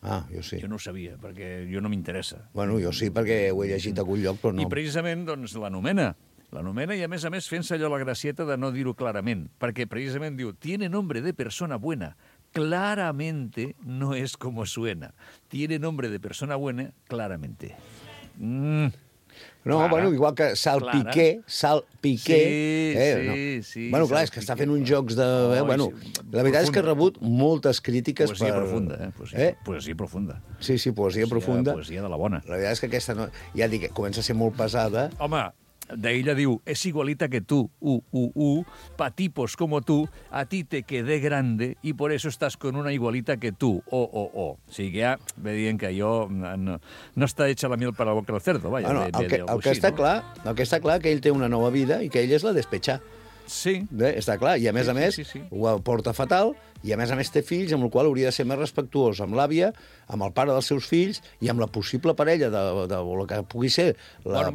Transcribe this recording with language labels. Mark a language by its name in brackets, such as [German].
[Catalan] Ah, jo sí. Jo no ho sabia, perquè jo no m'interessa. Bueno, jo sí, perquè ho he llegit a algun lloc, però no... I precisament, doncs, l'anomena, i a més fent-se allò la gracieta de no dir-ho clarament, perquè precisament diu, [Spanish] tiene nombre de persona buena, claramente no es como suena. Tiene nombre de persona buena, claramente. [Catalan] No, clara. Bueno, igual que Salpiqué, Salpiqué... Sí, bueno, clar, és que està fent uns jocs de... bueno, sí, la veritat és que ha rebut moltes crítiques poesia per... Poesia profunda, Poesia profunda. Sí, sí, poesia profunda. Poesia de la bona. La veritat és que aquesta, no... ja dic, comença a ser molt pesada. Home, d'ella diu, [Spanish] es igualita que tu, pa tipos como tú, a ti te quedé grande y por eso estás con una igualita que tú, [Catalan] O sigui que ja ve dient que jo no està [Spanish] hecha la miel para la boca del cerdo, vaja. [Catalan] Bueno, el que està clar que ell té una nova vida i que ell és la despecha. Sí. Està clar, i a més, ho porta fatal, i a més té fills, amb el qual hauria de ser més respectuós amb l'àvia, amb el pare dels seus fills, i amb la possible parella de que pugui ser la